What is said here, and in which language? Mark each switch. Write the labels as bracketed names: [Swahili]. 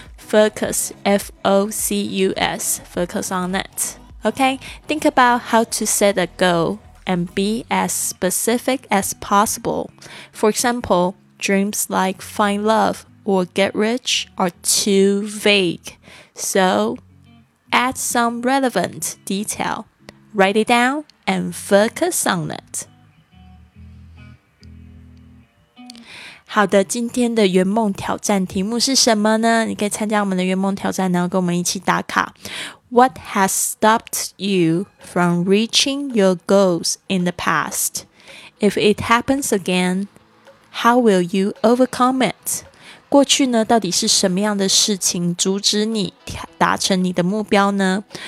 [English] focus F-O-C-U-S focus on it OK think about how to set a goal and be as specific as possible for example dreams like find love or get rich are too vague so add some relevant detail write it downand focus on it. [Chinese] 好的，今天的圆梦挑战题目是什么呢？你可以参加我们的圆梦挑战，然后跟我们一起打卡。 [English] What has stopped you from reaching your goals in the past? If it happens again, how will you overcome it? [Chinese] 过去呢，到底是什么样的事情阻止你达成你的目标呢？